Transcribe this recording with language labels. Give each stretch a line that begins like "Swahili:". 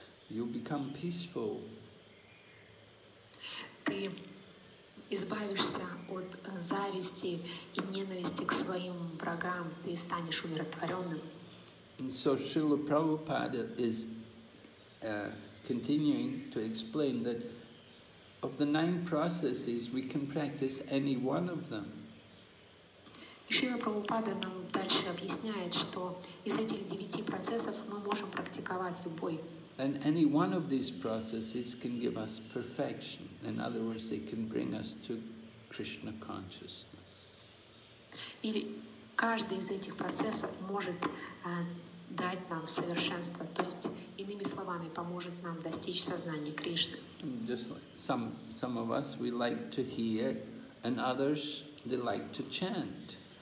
English: You'll become peaceful.
Russian: Ты избавишься от зависти и ненависти к своим врагам, ты станешь умиротворенным.
English: And so Srila Prabhupada is continuing to explain that of the nine processes, we can practice any one of them.
Russian: Шрила Прабхупада нам дальше объясняет, что из этих девяти процессов мы можем практиковать любой.
English: And any one of these processes can give us perfection. In other words, they can bring us to Krishna consciousness.
Russian: И каждый из этих процессов может дать нам совершенство, то есть, иными словами, поможет нам достичь сознания Кришны.
English: Just like some of us, we like to hear, and others, they like to chant.